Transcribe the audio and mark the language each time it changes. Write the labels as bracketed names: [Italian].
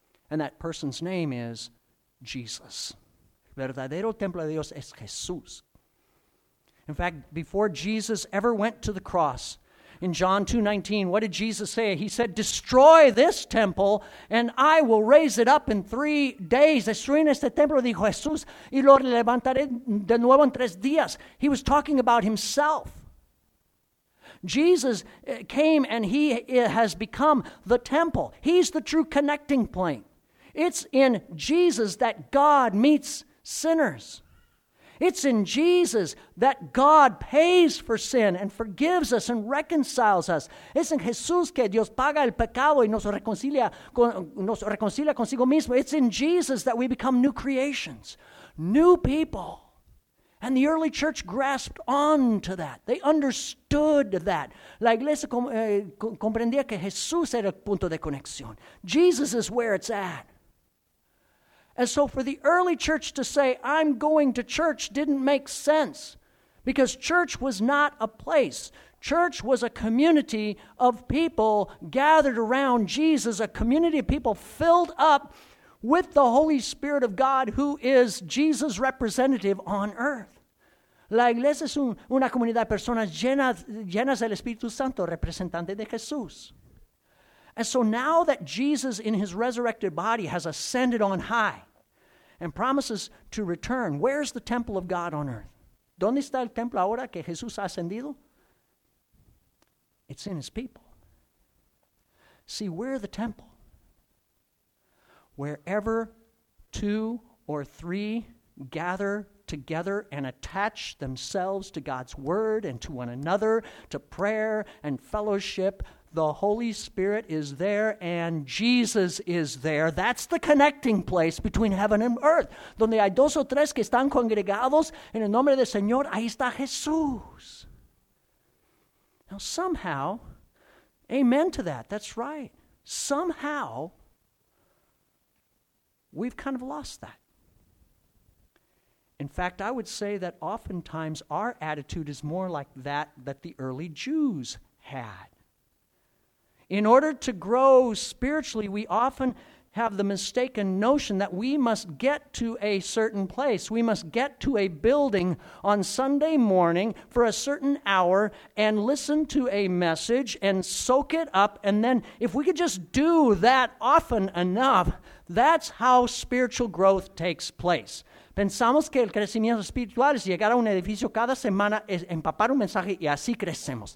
[English] And that person's name is Jesus. [Spanish] Verdadero templo de Dios es Jesús. [English] In fact, before Jesus ever went to the cross, in John 2:19, what did Jesus say? He said, "Destroy this temple, and I will raise it up in 3 days." [Spanish] Destruyen este templo, dijo Jesús, y lo levantaré de nuevo en 3 días. [English] He was talking about himself. Jesus came, and he has become the temple. He's the true connecting point. It's in Jesus that God meets sinners. It's in Jesus that God pays for sin and forgives us and reconciles us. [Spanish] Es en Jesús que Dios paga el pecado y nos reconcilia consigo mismo. [English] It's in Jesus that we become new creations, new people. And the early church grasped on to that. They understood that. [Spanish] La iglesia comprendía que Jesús era el punto de conexión. [English] Jesus is where it's at. And so for the early church to say, "I'm going to church," didn't make sense, because church was not a place. Church was a community of people gathered around Jesus, a community of people filled up with the Holy Spirit of God, who is Jesus' representative on earth. [Spanish] La iglesia es una comunidad de personas llenas del Espíritu Santo, representante de Jesús. [English] And so now that Jesus in his resurrected body has ascended on high, and promises to return. Where's the temple of God on earth? [Spanish] ¿Dónde está el templo ahora que Jesús ha ascendido? [English] It's in his people. See, we're the temple. Wherever two or three gather together and attach themselves to God's word and to one another, to prayer and fellowship, the Holy Spirit is there and Jesus is there. That's the connecting place between heaven and earth. [Spanish] Donde hay dos o tres que están congregados en el nombre del Señor, ahí está Jesús. [English] Now somehow, amen to that, that's right. Somehow, we've kind of lost that. In fact, I would say that oftentimes our attitude is more like that the early Jews had. In order to grow spiritually, we often have the mistaken notion that we must get to a certain place. We must get to a building on Sunday morning for a certain hour and listen to a message and soak it up. And then if we could just do that often enough, that's how spiritual growth takes place. [Spanish] Pensamos que el crecimiento espiritual es llegar a un edificio cada semana, es empapar un mensaje y así crecemos.